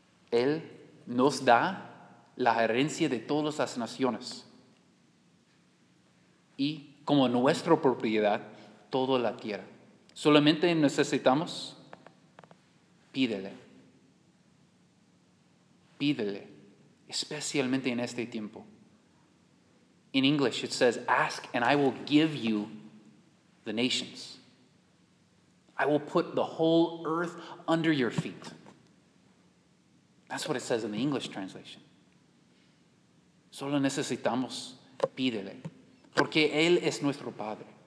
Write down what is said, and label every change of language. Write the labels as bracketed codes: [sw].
[es] Él nos da la herencia de todas las naciones. Y como nuestra propiedad, toda la tierra. Solamente necesitamos pídele especialmente en este tiempo. [en] In English, it says, ask and I will give you the nations. I will put the whole earth under your feet. That's what it says in the English translation. [es] Solo necesitamos pídele, porque Él es nuestro Padre.